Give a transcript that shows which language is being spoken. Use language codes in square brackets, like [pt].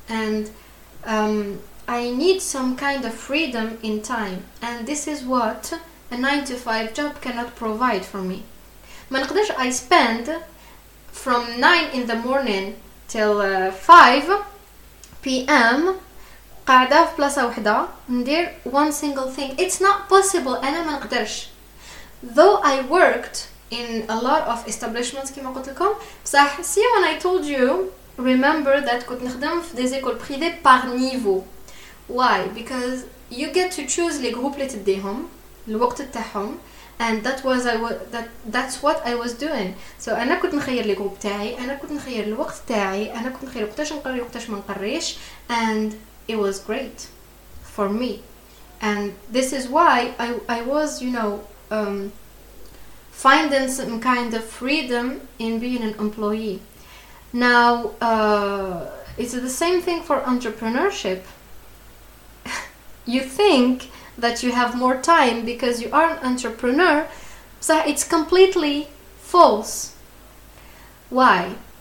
[en] And I need some kind of freedom in time. And this is what a 9-to-5 job cannot provide for me. I spend from 9 in the morning till 5 p.m. [ar] قاعدة في بلاصة واحدة ندير [en] one single thing. It's not possible. [ar] أنا ما نقدرش. [en] Though I worked in a lot of establishments, [ar] كما قلت لكم. [en] بصح, see when I told you, remember that [ar] كنت نخدم في [fr] des écoles privées par niveau. [en] Why? Because you get to choose [fr] les groupes les [ar] تديهم. الوقت تاعهم, [en] and that's what I was doing. [ar] So انا كنت نخير لي جروب تاعي, انا كنت نخير الوقت تاعي, انا كنت نخير وقتاش نقري وقتاش ما نقريش, [en] and it was great for me. And this is why I was, you know, finding some kind of freedom in being an employee. Now, it's the same thing for entrepreneurship. You think that you have more time because you are an entrepreneur, so it's completely false. Why?